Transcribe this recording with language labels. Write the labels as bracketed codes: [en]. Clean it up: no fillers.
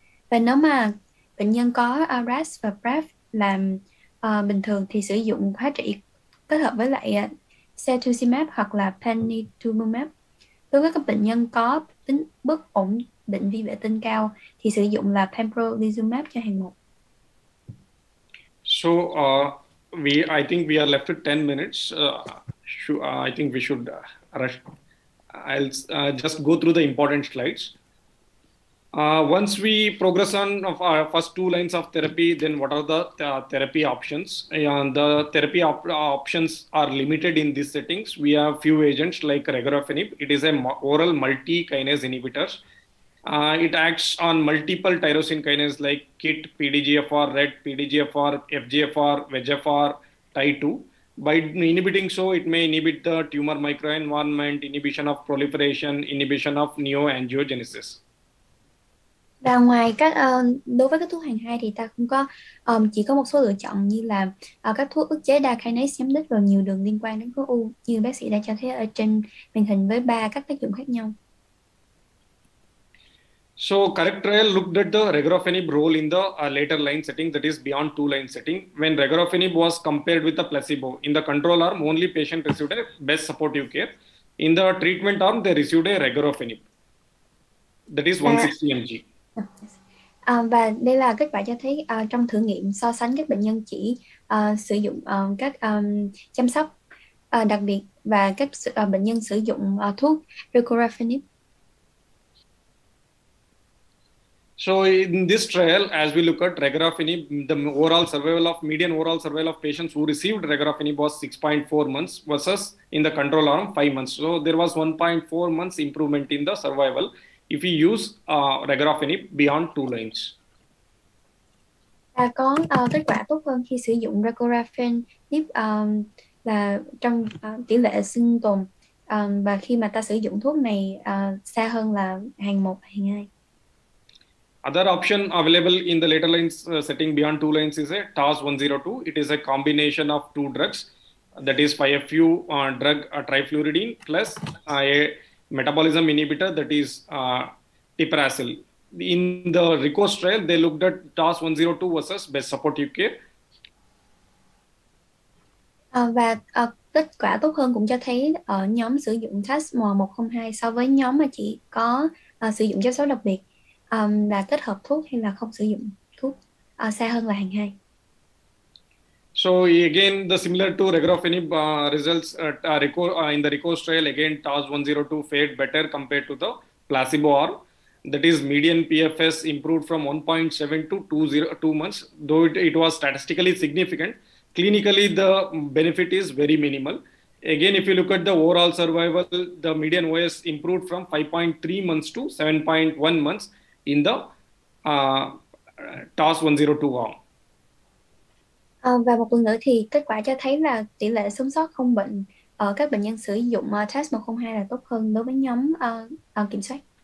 [vi] Và nếu mà bệnh nhân có RAS và BRAF làm bình thường thì sử dụng hóa trị kết hợp với lại cetuximab hoặc là panitumumab. Đối với các bệnh nhân có tính bất ổn định vi vệ tinh cao thì sử dụng là pembrolizumab cho hạng một. [en] So I think we are left with 10 minutes. I think we should rush. I'll just go through the important slides. Once we progress on of our first two lines of therapy, then what are the therapy options? And the therapy options are limited in these settings. We have few agents like regorafenib. It is a oral multi-kinase inhibitor. It acts on multiple tyrosine kinases like KIT, PDGFR, RET, PDGFR, FGFR, VEGFR, TIE2. By inhibiting so, it may inhibit the tumor microenvironment, inhibition of proliferation, inhibition of neoangiogenesis. [vi] Và ngoài các đối với các thuốc hàng hai thì ta không có chỉ có một số lựa chọn như là các thuốc ức chế đa kinase nhắm đích vào nhiều đường liên quan đến khối u như bác sĩ đã cho thấy ở trên màn hình với ba các tác dụng khác nhau. [en] So, CORRECT trial looked at the regorafenib role in the later line setting, that is beyond two line setting, when regorafenib was compared with the placebo. In the control arm, only patient received a best supportive care. In the treatment arm, they received a regorafenib, that is [vi] Và [en] 160 mg. [vi] đây là kết quả cho thấy trong thử nghiệm so sánh các bệnh nhân chỉ sử dụng các chăm sóc đặc biệt và các bệnh nhân sử dụng thuốc regorafenib. [en] So in this trial, as we look at regorafenib, the overall survival of median overall survival of patients who received regorafenib was 6.4 months versus in the control arm 5 months. So there was 1.4 months improvement in the survival if we use regorafenib beyond two lines. [vi] Và có kết quả tốt hơn khi sử dụng regorafenib là trong tỷ lệ sinh tồn và khi mà ta sử dụng thuốc này xa hơn là hàng 1, hàng 2. [en] Other option available in the later lines setting beyond two lines is a TAS-102. It is a combination of two drugs, that is 5-FU drug trifluridine plus a metabolism inhibitor, that is tipiracil. In the RICOS trial, they looked at TAS-102 versus best supportive care. [vi] Và kết quả tốt hơn cũng cho thấy ở nhóm sử dụng TAS 102 so với nhóm mà chỉ có sử dụng chăm sóc đặc biệt là kết hợp thuốc hay là không sử dụng thuốc xa hơn là hàng hai. [en] So again, the similar to regorafenib results in the RICOS trial, again TAS-102 fared better compared to the placebo arm. That is, median PFS improved from 1.7 to 2 months. Though it was statistically significant, clinically the benefit is very minimal. Again, if you look at the overall survival, the median OS improved from 5.3 months to 7.1 months in the TAS-102 arm. [vi] Và một lần nữa thì kết quả cho thấy là tỷ lệ sống sót không bệnh ở các bệnh nhân sử dụng test 102 là tốt hơn đối với nhóm kiểm soát.